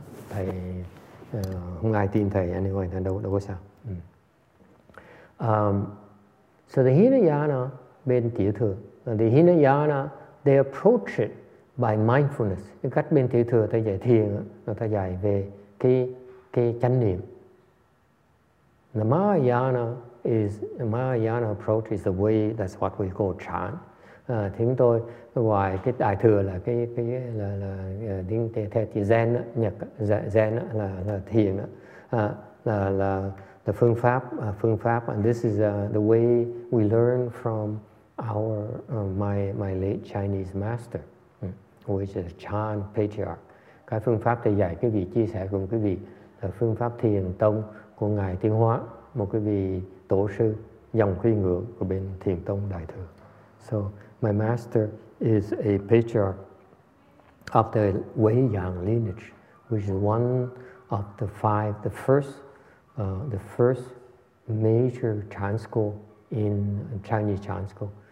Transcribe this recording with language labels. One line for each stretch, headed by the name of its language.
Vietnamese: Thầy không ai tin Thầy anyway, thì đâu có sao.
English: So the Hinayana
Vietnamese: bên tiểu thừa,
English: the Hinayana, they approach it by mindfulness.
Vietnamese: Cái cách bên tiểu thừa ta dạy thiền, ta dạy về cái chánh niệm.
English: The Mahayana is the Mahayana approach is the way that's what we call chan.
Vietnamese: Tiếng tôi ngoài cái đại thừa là cái là tiếng theo chữ Zen đó, Nhật Zen đó, là thiền đó.
English: Là the
Vietnamese: phương pháp
English: and this is the way we learn from our my late Chinese master, which is Chan Patriarch.
Vietnamese: Cái phương pháp thầy dạy quý vị chia sẻ cùng quý vị là phương pháp thiền tông của Ngài Tiên Hóa, một cái vị tổ sư dòng khuy ngựa của bên thiền tông đại thừa.
English: So my master is a patriarch of the Wei Yang lineage, which is one of the five, the first major Chan school in Chinese Chan school.